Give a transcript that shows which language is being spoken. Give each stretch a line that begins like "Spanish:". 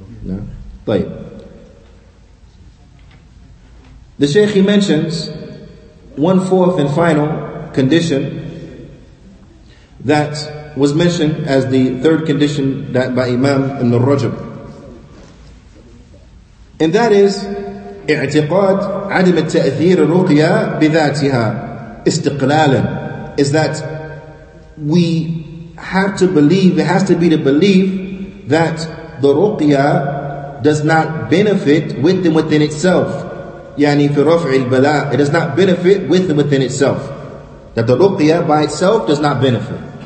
English: No? But the Shaykh, he mentions 1/4 and final condition that was mentioned as the third condition that by Imam Ibn Rajab. And that is,
Arabic: اعتقاد عدم التأثير الرقية بذاتها استقلالا.
English: Is that we have to believe, it has to be the belief that the ruqya does not benefit with and within itself.
Arabic: يعني في رفع البلاء.
English: It does not benefit with and within itself. That the ruqya by itself does not benefit.